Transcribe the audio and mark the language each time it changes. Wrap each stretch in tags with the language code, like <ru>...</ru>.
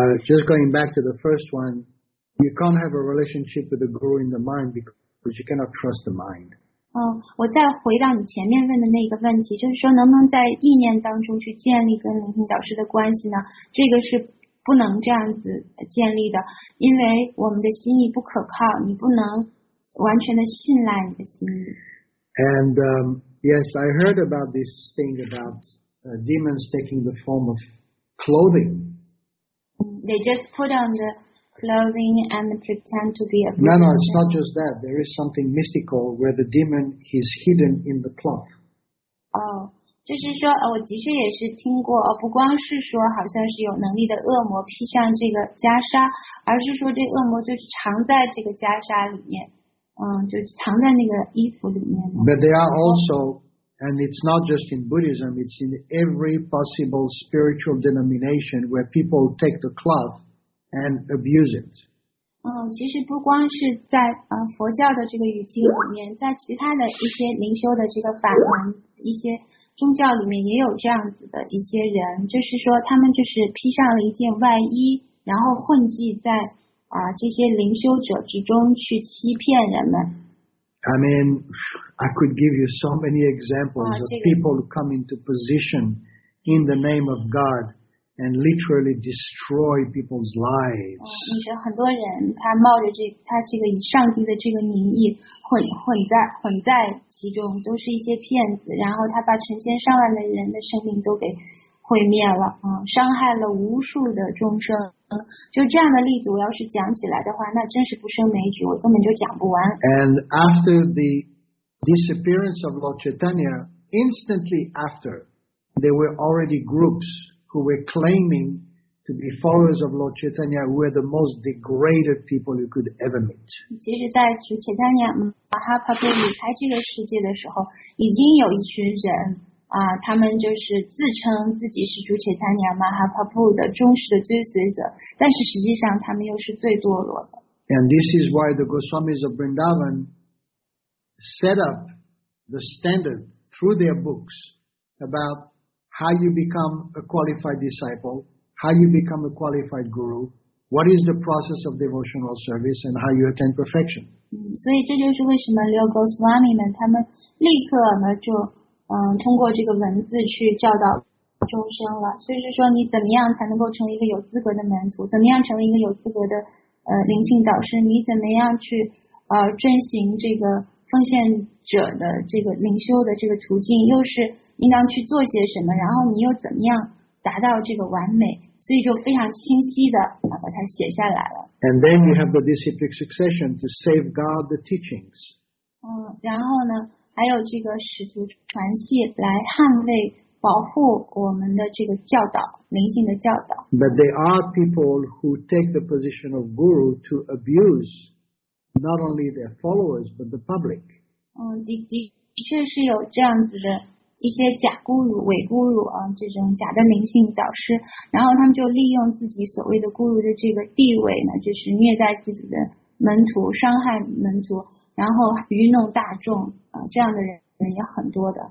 <en>Just going back to the first one,You can't have a relationship with the guru in the mind because you cannot trust the mind.</en> <zh>我再回到你前面问的那个问题，就是说能不能在意念当中去建立跟灵性导师的关系呢？这个是不能这样子建立的，因为我们的心意不可靠，你不能完全的信赖你的心意。</zh> <en>And yes, I heard about this thing about demons taking the form of clothing. They just put on the... clothing and pretend to be a no, no, it's not just that. There is something mystical where the demon is hidden in the cloth.</en> <zh>就是说我的确也是听过不光是说好像是有能力的恶魔披上这个袈裟，而是说这恶魔就是藏在这个袈裟里面，就藏在那个衣服里面。</zh> <en>But they are also, and it's not just in Buddhism, it's in every possible spiritual denomination where people take the clothand abuse it.</en> <zh>其实不光是在佛教的这个语境里面，在其他的一些灵修的这个法门，一些宗教里面也有这样子的一些人，就是说他们就是披上了一件外衣，然后混迹在这些灵修者之中去欺骗人们。</zh> <en>I mean, I could give you so many examples of people who come into position in the name of God. And literally destroy people's lives.</en> <zh>你说很多人他冒着他这个以上帝的这个名义混在其中，都是一些骗子，然后他把成千上万的人的生命都给毁灭了，嗯，伤害了无数的众生。就这样的例子，我要是讲起来的话，那真是不胜枚举，我根本就讲不完。</zh> <en>And after the disappearance of Lord Chaitanya, instantly after, there were already groups who were claiming to be followers of Lord Chaitanya, who were the most degraded people you could ever meet.</en> <zh>其实，在主切丹尼亚马哈帕布离开这个世界的时候，已经有一群人。他们就是自称自己是主切丹尼亚马哈帕布的忠实的追随者，但是实际上他们又是最堕落的。</zh> <en>And this is why the Goswamis of Vrindavan set up the standard through their books about how you become a qualified disciple, how you become a qualified guru, what is the process of devotional service, and how you attain perfection.</en> <zh>所以这就是为什么六 Goswami 们他们立刻呢就通过这个文字去教导众生了，所以是说你怎么样才能够成为一个有资格的门徒，怎么样成为一个有资格的灵性导师，你怎么样去遵循这个奉献者的这个灵修的这个途径，又是应当去做些什么，然后你又怎么样达到这个完美，所以就非常清晰的把它写下来了。</zh> <en>And then you have the disciplic succession to safeguard the teachings.</en> <zh>然后呢还有这个使徒传系来捍卫保护我们的这个教导灵性的教导。</zh> <en>But there are people who take the position of guru to abuse not only their followers but the public.</en> <zh>的确是有这样子的一些假孤儒伪孤儒啊，这种假的灵性导师，然后他们就利用自己所谓的孤儒的这个地位呢，就是虐待自己的门徒，伤害门徒，然后愚弄大众啊，这样的人也很多的。</zh>